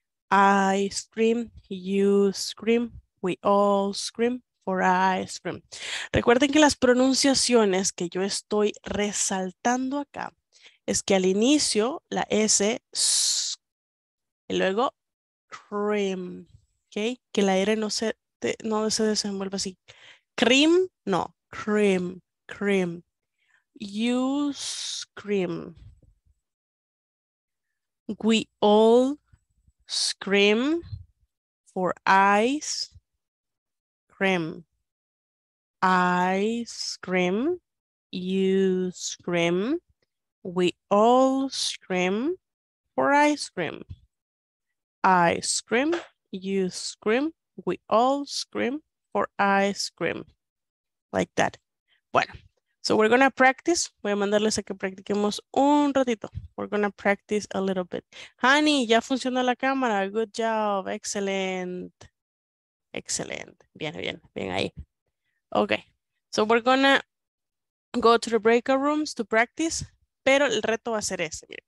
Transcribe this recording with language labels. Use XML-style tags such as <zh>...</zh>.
<en>I scream, you scream, we all scream for ice cream.</en> <es>Recuerden que las pronunciaciones que yo estoy resaltando acá es que al inicio la S y luego cream, okay, que la R no se desenvuelve así.</es> <en>Cream, no, cream, cream. You scream. We all scream for ice cream. I scream, you scream, we all scream for ice cream. I scream, you scream, we all scream for ice cream. Like that. Bueno, so we're gonna practice.</en> <es>Voy a mandarles a que practiquemos un ratito.</es> <en>We're gonna practice a little bit. Honey,</en> <es>ya funcionó la cámara.</es> <en>Good job. Excellent. Excellent.</en> <es>Bien, bien, bien ahí.</es> <en>Okay, so we're gonna go to the breakout rooms to practice,</en> <es>pero el reto va a ser ese.</es>